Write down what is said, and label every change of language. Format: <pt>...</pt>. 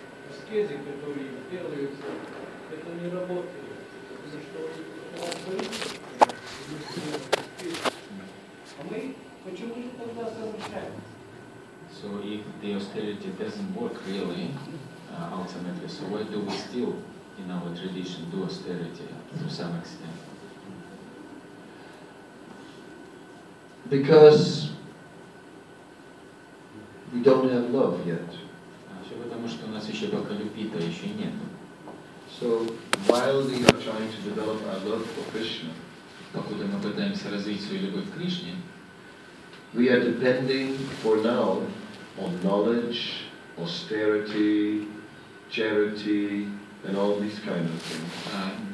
<ru>аскезе, которую делают, это не работает. За что он говорит? А мы почему же тогда совершаем?</ru> <en>So if the austerity doesn't work really, ultimately, so why do we still in our tradition do austerity to some extent? Because we don't have love yet.</en> <ru>Все потому, что у нас еще пока любви-то еще нет.</ru> <en>So while we are trying to develop our love for Krishna,</en> <ru>покуда мы пытаемся развить свою любовь к Кришне,</ru> <en>we are depending for now on knowledge, austerity, charity, and all these kind of things.</en>